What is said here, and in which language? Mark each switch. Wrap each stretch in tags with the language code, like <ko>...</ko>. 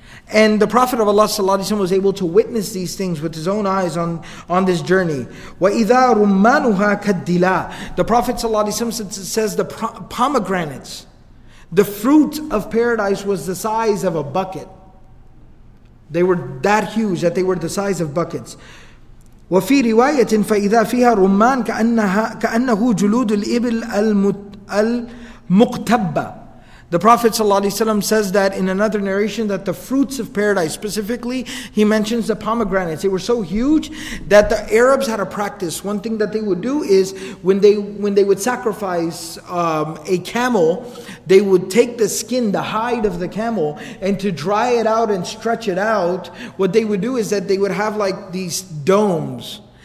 <en>And the Prophet of Allah sallallahu alaihi wasallam was able to witness these things with his own eyes on this journey.</en> <ar>وَإِذَا رُمَّانُهَا كَالدِّلَى.</ar> <en>The Prophet sallallahu alaihi wasallam says the pomegranates, the fruit of paradise, was the size of a bucket. They were that huge that they were the size of buckets.</en> <ar>وفي رواية فإذا فيها رمان كأنه جلود الإبل المقتبة.</ar> <en>The Prophet ﷺ says that in another narration that the fruits of paradise, specifically, he mentions the pomegranates. They were so huge that the Arabs had a practice. One thing that they would do is when they would sacrifice a camel, they would take the skin, the hide of the camel, and to dry it out and stretch it out, what they would do is that they would have like these domes.</en>